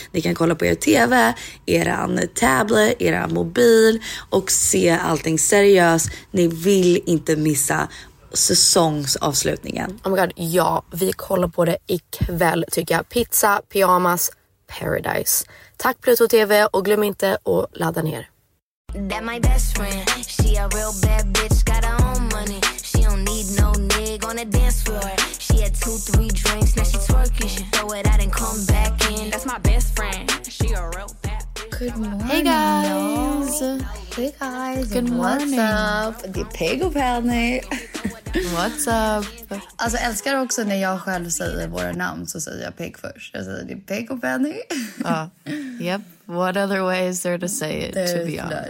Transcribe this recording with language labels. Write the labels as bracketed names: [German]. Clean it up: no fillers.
[Swedish] Ni kan kolla på er TV, er tablet, er mobil och se allting seriöst. Ni vill inte missa säsongsavslutningen. Oh my god, ja, vi kollar på det ikväll, tycker jag. Pizza, pyjamas, Paradise. Tack Pluto TV och glöm inte att ladda ner. [English] That my best friend, she a real bad bitch, got her own money. She don't need no nigga on the dance floor. She had 2-3 drinks, now she twerking. She throw it out and come back in. That's my best friend, she a real bad bitch. Good morning. Hey guys. Hey guys. Good morning. [Swedish] What's up? Det är Pego Penny. [English] What's up? [Swedish] Alltså älskar också när jag själv säger våra namn så säger jag Peg först. Jag säger det är Peg och Penny. [English] Yep, what other way is there to say it, there's to be none.